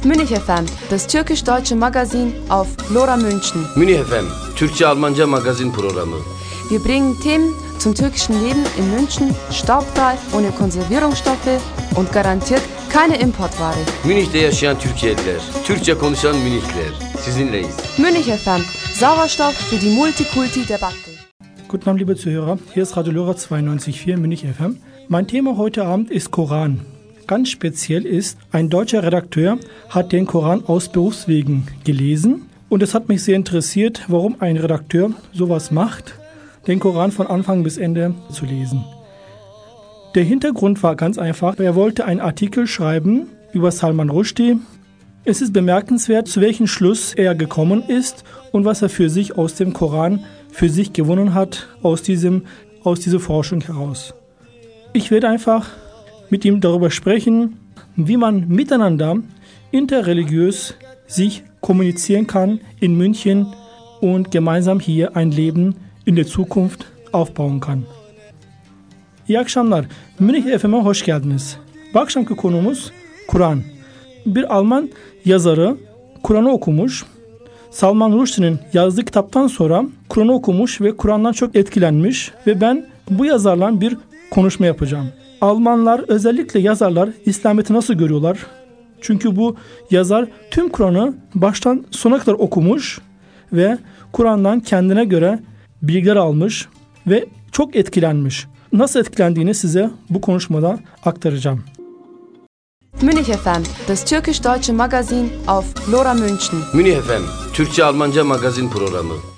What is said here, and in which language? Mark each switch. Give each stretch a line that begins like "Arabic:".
German: Münih FM, das türkisch-deutsche Magazin auf Lora München.
Turkish: Münih FM, Türkçe-Almanca Magazin Programmı.
German: Wir bringen Themen zum türkischen Leben in München, staubfrei, ohne Konservierungsstoffe und garantiert keine Importware.
Turkish: Münih'te yaşayan Türkiye'liler, Türkçe konuşan Münihler, sizinleyiz.
German: Münih FM, Sauerstoff für die Multikulti-Debatte. Guten Abend, liebe Zuhörer, hier ist Radio Lora 92.4 Münih FM. Mein Thema heute Abend ist Koran. Ganz speziell ist, ein deutscher Redakteur hat den Koran aus Berufswegen gelesen und es hat mich sehr interessiert, warum ein Redakteur sowas macht, den Koran von Anfang bis Ende zu lesen. Der Hintergrund war ganz einfach, er wollte einen Artikel schreiben über Salman Rushdie. Es ist bemerkenswert, zu welchem Schluss er gekommen ist und was er für sich aus dem Koran für sich gewonnen hat, aus dieser Forschung heraus. Ich werde einfach mit ihm darüber sprechen, wie man miteinander interreligiös sich kommunizieren kann in München und gemeinsam hier ein Leben in der Zukunft aufbauen kann.
Turkish: İyi akşamlar. Münih FM'e hoş geldiniz. Bu akşamki konumuz Kur'an. Bir Alman yazarı Kur'an'ı okumuş. Salman Rushdie'nin yazdığı kitaptan sonra Kur'an'ı okumuş ve Kur'an'dan çok etkilenmiş ve ben bu yazarla bir konuşma yapacağım. Almanlar, özellikle yazarlar, İslamiyet'i nasıl görüyorlar? Çünkü bu yazar tüm Kur'an'ı baştan sona kadar okumuş ve Kur'an'dan kendine göre bilgiler almış ve çok etkilenmiş. Nasıl etkilendiğini size bu konuşmada aktaracağım.
German: Münih FM, das türkisch-deutsche Magazin auf Lora München.
Turkish: Münih FM, Türkçe-Almanca Magazin Programı.